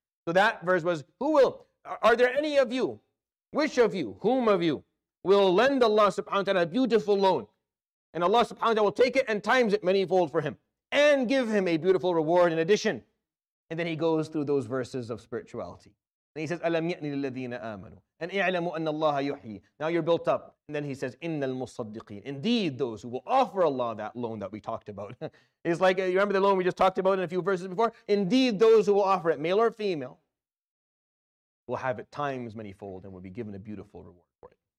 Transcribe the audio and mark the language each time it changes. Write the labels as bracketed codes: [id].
[en] So that verse was, who will? Are there any of you? Which of you? Whom of you will lend Allah subhanahu wa ta'ala a beautiful loan? And Allah subhanahu wa ta'ala will take it and times it manyfold for him and give him a beautiful reward in addition. And then he goes through those verses of spirituality. And he says, [ar] أَلَمْ يَأْنِ لِلَّذِينَ آمَنُوا أَنْ اِعْلَمُوا أَنَّ اللَّهَ يُحْيِي. [en] Now you're built up. And then he says, [ar] إِنَّ الْمُصَّدِّقِينَ. [en] Indeed, those who will offer Allah that loan that we talked about. It's like, you remember the loan we just talked about in a few verses before? Indeed, those who will offer it, male or female, will have it times manyfold and will be given a beautiful reward for it.